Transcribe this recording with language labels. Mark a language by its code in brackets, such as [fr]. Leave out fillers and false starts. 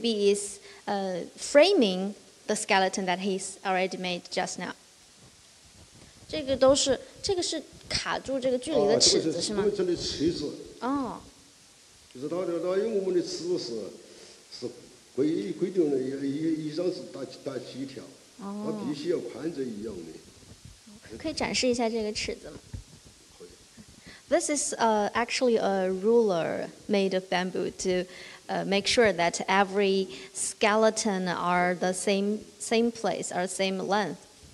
[en] B is framing the skeleton that he's already made just now. [zh] 这个都是卡住这个距离的尺子是吗？哦，就是到了到，因为我们的尺子是规定的，一张是大大几条，它必须要宽这一样的。可以展示一下这个尺子吗？ [en] This is actually a ruler made of bamboo to make sure that every skeleton are the same place or same length.